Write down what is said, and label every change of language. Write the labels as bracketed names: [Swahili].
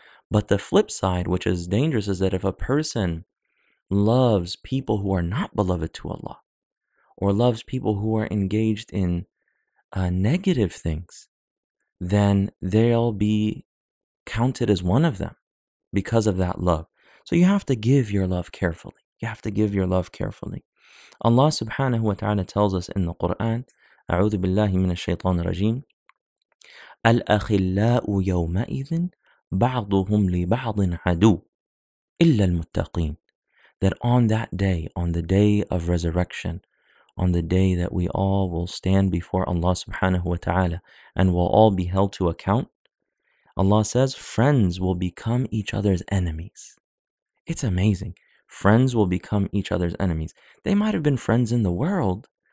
[English] But the flip side, which is dangerous, is that if a person loves people who are not beloved to Allah, or loves people who are engaged in negative things, then they'll be counted as one of them because of that love. So you have to give your love carefully. You have to give your love carefully. Allah subhanahu wa ta'ala tells us in the Quran, [Arabic] أعوذ بالله من الشيطان الرجيم, الأخلاء يومئذ بعضهم لبعض عدو إلا المتقين. [English] That on that day, on the day of resurrection, on the day that we all will stand before Allah subhanahu wa ta'ala and will all be held to account, Allah says, friends will become each other's enemies. It's amazing. Friends will become each other's enemies. They might have been friends in the world.